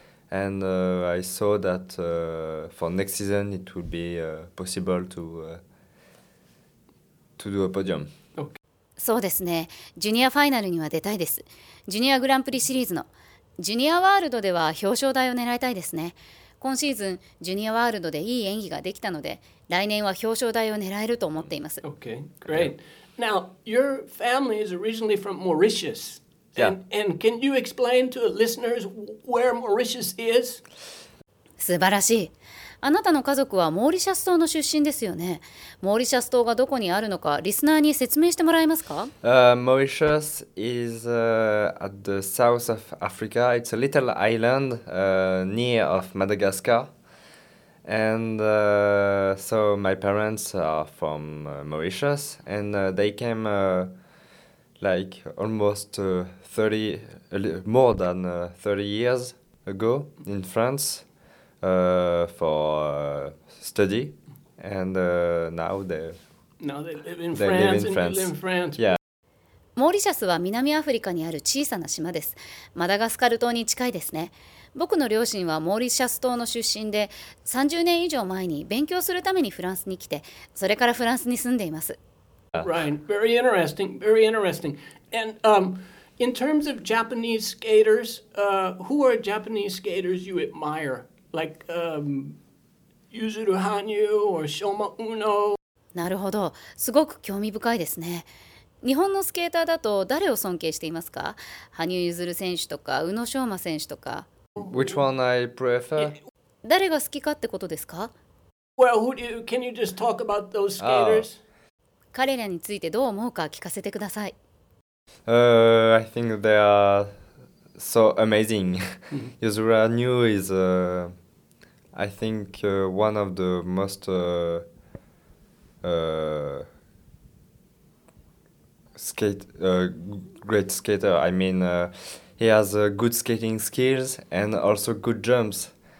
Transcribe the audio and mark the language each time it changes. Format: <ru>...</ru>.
<en>And I saw that for next season, it will be possible to do a podium.</en> <ja>そうですね。ジュニアファイナルには出たいです。ジュニアグランプリシリーズのジュニアワールドでは表彰台を狙いたいですね。今シーズン、ジュニアワールドでいい演技ができたので、来年は表彰台を狙えると思っています。</ja> <en>Okay, great. Now, your family is originally from Mauritius. Yeah. And can you explain to the listeners where Mauritius is?</en> <ja>素晴らしい。あなたの家族はモーリシャス島の出身ですよね。モーリシャス島がどこにあるのか、リスナーに説明してもらえますか？</ja> <en>Mauritius is at the south of Africa. It's a little island near of Madagascar. And so my parents are from Mauritius. And they came like almost 30 years ago in France. For study, and now they live in France. Yeah.</en> <ja>モーリシャスは南アフリカにある小さな島です。マダガスカル島に近いですね。僕の両親はモーリシャス島の出身で、30年以上前に勉強するためにフランスに来て、それからフランスに住んでいます。</ja> <en>Right, very interesting, very interesting. And in terms of Japanese skaters, who are Japanese skaters you admire? Yuzuru Hanyu or Shoma Uno.</en> <ja>なるほど。すごく興味深いですね。日本のスケーターだと誰を尊敬していますか？羽生結弦選手とか宇野昌磨選手とか。</ja> <en>Which one I prefer?</en> <ja>誰が好きかってことですか？</ja> <en>Well, can you just talk about those skaters?</en> <ja>彼らについてどう思うか聞かせてください。</ja> <en>I think they are... So amazing. Yuzuru Hanyu is, I think, one of the most great skater. I mean, he has good skating skills and also good jumps.</en>